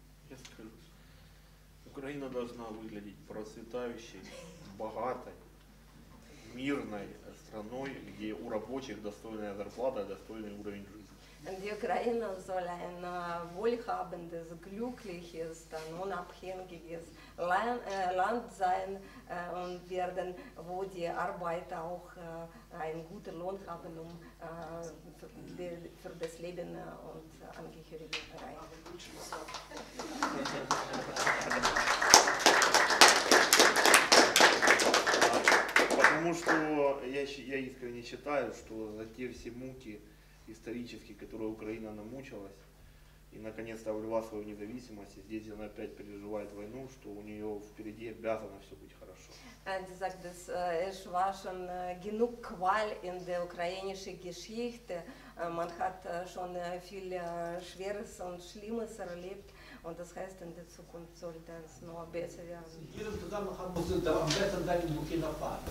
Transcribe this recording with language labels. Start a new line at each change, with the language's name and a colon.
Russian: Я скажу, Украина должна выглядеть процветающей, богатой, мирной страной, где у рабочих достойная зарплата, достойный уровень жизни.
German: Die Ukraine soll ein wohlhabendes, glückliches, unabhängiges Land sein und werden, wo die Arbeiter auch einen guten Lohn haben, um für das Leben und Angehörige reichen.
Russian: Потому что я искренне считаю, что за те все муки исторически, которой Украина намучилась и наконец-то обрела свою независимость, и здесь она опять переживает войну, что у нее впереди обязано все быть хорошо.
German: Sie sagt, dass es war schon genug Qual in der ukrainischen Geschichte. Man hat schon viel Schweres und Schlimmes erlebt. Und das heißt, in der Zukunft sollte es noch besser werden. Sie hier im Zusammenhang müssen Sie am besten deine Kinder fahren.